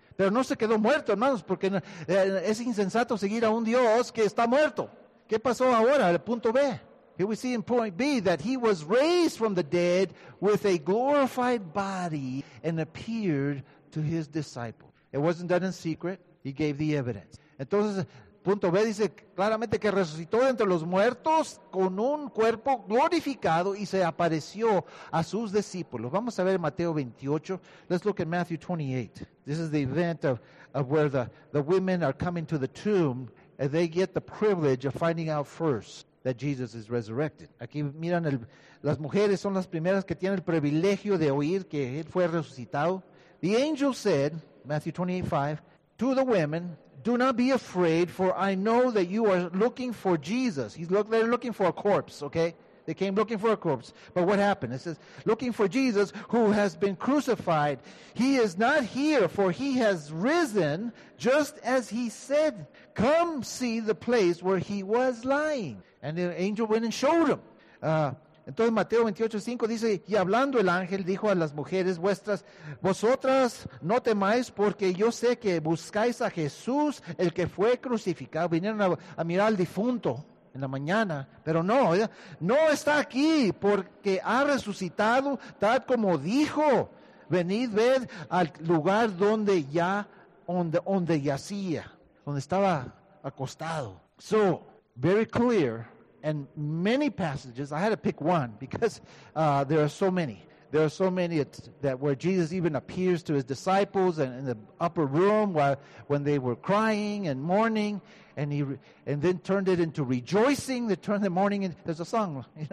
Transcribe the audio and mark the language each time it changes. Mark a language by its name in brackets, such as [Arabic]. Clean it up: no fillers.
[Spanish] Pero no se quedó muerto, hermanos, porque es insensato seguir a un Dios que está muerto. ¿Qué pasó ahora? El punto B. [English] Here we see in point B that he was raised from the dead with a glorified body and appeared to his disciples. It wasn't done in secret. He gave the evidence. [Spanish] Entonces, punto B dice claramente que resucitó entre los muertos con un cuerpo glorificado y se apareció a sus discípulos. Vamos a ver Mateo 28. [English] Let's look at Matthew 28. This is the event of where the women are coming to the tomb and they get the privilege of finding out first that Jesus is resurrected. [Spanish] Aquí miran, las mujeres son las primeras que tienen el privilegio de oír que él fue resucitado. [English] The angel said, Matthew 28:5, to the women, do not be afraid, for I know that you are looking for Jesus. They're looking for a corpse, okay? They came looking for a corpse. But what happened? It says, looking for Jesus who has been crucified. He is not here, for he has risen just as he said. Come see the place where he was lying. And the angel went and showed him. [Spanish] Entonces Mateo 28:5 dice, y hablando el ángel dijo a las mujeres vuestras, vosotras no temáis porque yo sé que buscáis a Jesús el que fue crucificado. Vinieron a mirar al difunto en la mañana, pero no está aquí porque ha resucitado tal como dijo. Venid, ved al lugar donde yacía, donde estaba acostado. [English] So, very clear. And many passages, I had to pick one because there are so many. There are so many that where Jesus even appears to his disciples and in the upper room when they were crying and mourning, and he and then turned it into rejoicing. There's a song.